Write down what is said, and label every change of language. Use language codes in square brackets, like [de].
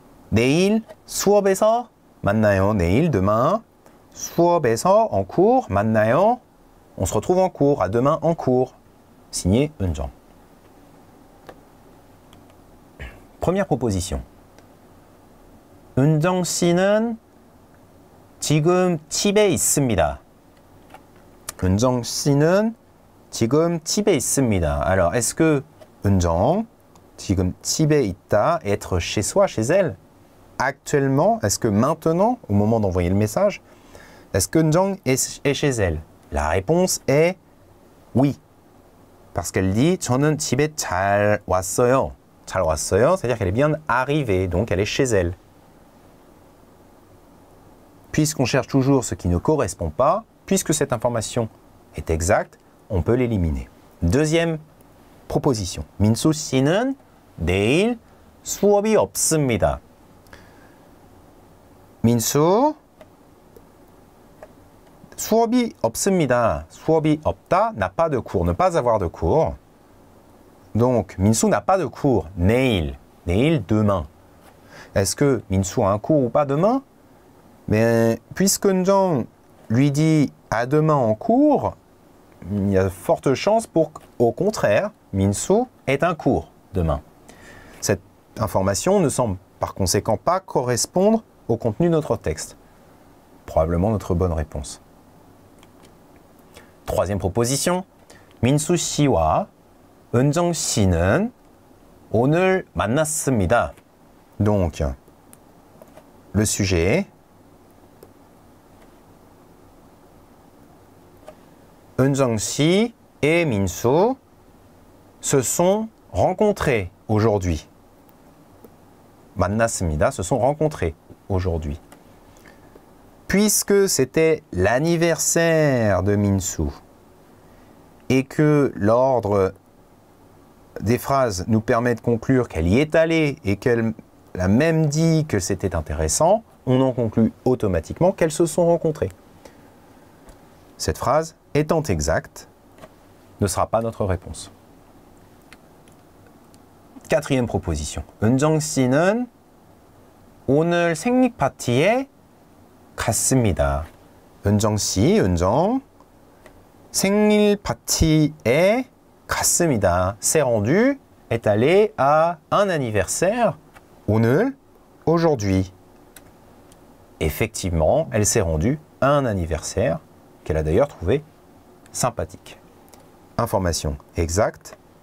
[ko] 내일 수업에서 만나요 내일 [fr] demain [ko] 수업에서 [fr] en cours [ko] 만나요 [fr] on se retrouve en cours à demain en cours signé 은정 première proposition [ko] 은정 씨는 지금 집에 있습니다 은정 씨는 지금 집에 있습니다 [fr] alors est-ce que [ko] 은정 지금 집에 있다 [fr] être chez soi chez elle actuellement, est-ce que maintenant, au moment d'envoyer le message, est-ce que Eunjong est chez elle? La réponse est oui. Parce qu'elle dit [ko] 저는 집에 잘 왔어요. 잘 왔어요, [fr] c'est-à-dire qu'elle est bien arrivée, donc elle est chez elle. Puisqu'on cherche toujours ce qui ne correspond pas, puisque cette information est exacte, on peut l'éliminer. Deuxième proposition. [ko] 민수 씨는 내일 수업이 없습니다. Minsu, 수업이 없습니다. 수업이 없다, [fr] n'a pas de cours, ne pas avoir de cours. Donc, Minsu n'a pas de cours. [ko] 내일, 내일 [fr] demain. Est-ce que Minsu a un cours ou pas demain? Mais puisque Eunjong lui dit à demain en cours, il y a de fortes chances pour qu'au contraire, Minsu ait un cours demain. Cette information ne semble par conséquent pas correspondre au contenu de notre texte. Probablement notre bonne réponse. Troisième proposition. [ko] 민수 씨와 은정 씨는 오늘 만났습니다. [fr] Donc, le sujet. 은정 씨 et 민수 se sont rencontrés aujourd'hui. [ko] 만났습니다. [fr] Se sont rencontrés. Aujourd'hui. Puisque c'était l'anniversaire de Minsu et que l'ordre des phrases nous permet de conclure qu'elle y est allée et qu'elle a même dit que c'était intéressant, on en conclut automatiquement qu'elles se sont rencontrées. Cette phrase, étant exacte, ne sera pas notre réponse. Quatrième proposition. [ko] 은정 씨는 오늘 생일 파티에 갔습니다. 은정 씨, 은정 생일 파티에 갔습니다. [fr] S'est rendu, est allé à un anniversaire. [ko] 오늘, [fr] aujourd'hui. Effectivement, elle s'est rendue à un anniversaire qu'elle a d'ailleurs trouvé sympathique. Information exacte